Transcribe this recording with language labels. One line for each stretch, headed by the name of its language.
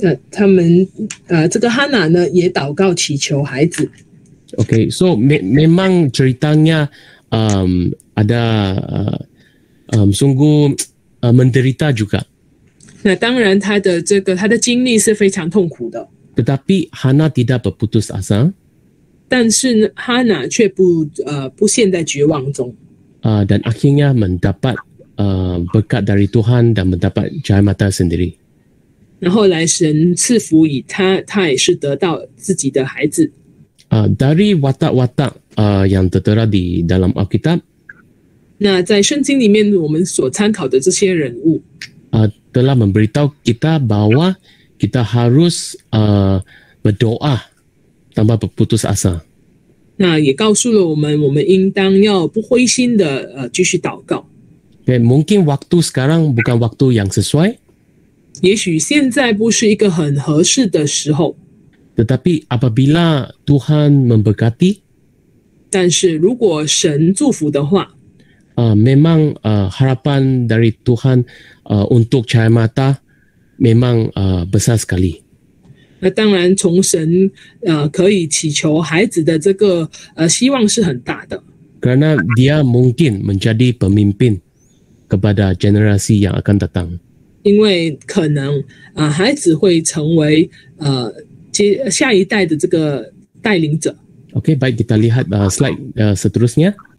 Chinese: 他们这个 Hana 呢也祷告祈求孩子。
Malay: Okay, so memang ceritanya ada sungguh menderita juga.
Chinese: 那当然他的这个他的经历是非常痛苦的。
Malay: Tetapi Hana tidak berputus asa.
Chinese: 但是 Hana 却不陷在绝望中。
Malay: Dan akhirnya mendapat berkat dari Tuhan dan mendapat cahaya mata sendiri.
Chinese: 然后来神赐福以他，他也是得到自己的孩子。
Malay: Dari watak-watak yang tertera di dalam Alkitab.
Chinese: 那在圣经里面我们所参考的这些人物。
Malay: Telah memberitahu kita bahwa kita harus berdoa tanpa berputus asa.
Chinese: 那也告诉了我们应当要不灰心的继续祷告。
Malay: Okay, mungkin waktu sekarang bukan waktu yang sesuai.
Chinese: 也许现在不是一个很合适的时候。
Malay: Tetapi apabila Tuhan memberkati,
Chinese: 但是如果神祝福的话
Malay: memang harapan dari Tuhan untuk cahaya mata memang besar sekali.
Chinese: 那当然从神可以祈求孩子的这个希望是很大的。
Malay: Kerana dia mungkin menjadi pemimpin kepada generasi yang akan datang.
Chinese: 因为可能孩子会成为下一代的这个带领者。
Malay: Okay, baik kita lihat slide seterusnya.